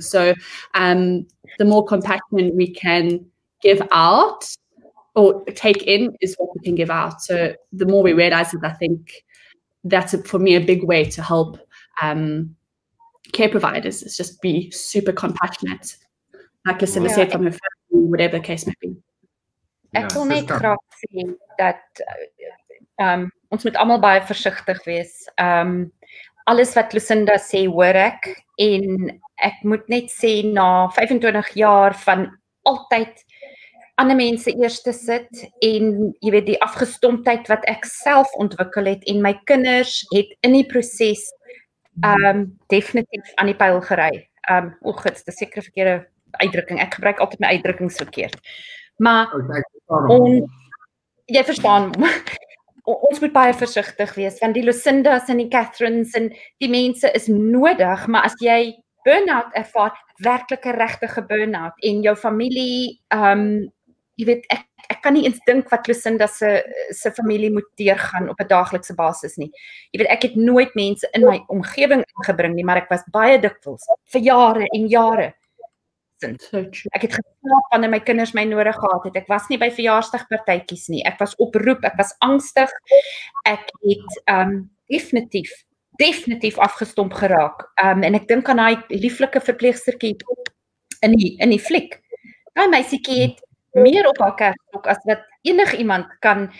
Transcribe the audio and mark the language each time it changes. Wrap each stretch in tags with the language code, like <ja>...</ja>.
<en>So the more compassion we can give out or take in is what we can give out. So the more we realize it, I think that's, for me, a big way to help care providers is just be super compassionate, like Lucinda said, from her family, whatever the case may be.</en> <af>Ek wil net graag sê dat ons moet allemaal baie versigtig wees. Alles wat Lucinda sê, hoor ek, en ek moet net sê, na 25 jaar van altyd ander mense eers te sit, en jy weet, die afgestomptheid wat ek self ontwikkel het, en my kinders het in die proces definitief aan die pijl gery. Oog, dit is seker verkeerde uitdrukking, ek gebruik altyd my uitdrukkings verkeerd. Maar, jy verstaan, ons moet baie versigtig wees, want die Lucindas en die Catherines en die mense is nodig, maar as jy burn-out ervaar, werklike regtige burn-out, en jou familie, jy weet, ek kan nie eens dink wat Lucinda se familie moet deurgaan op 'n daaglikse basis nie. Jy weet, ek het nooit mense in my omgewing ingebring nie, maar ek was baie dikwels, vir jare en jare. Ek het geslaap wanneer my kinders my nodig gehad het. Ek was nie by verjaarsdagpartytjies nie. Ek was oproep, ek was angstig. Ek het definitief afgestomp geraak. En ek dink aan daai lieflike verpleegsterkie in die fliek. Daai meisiekie het meer op haar kerstok as wat enig iemand kan.</af>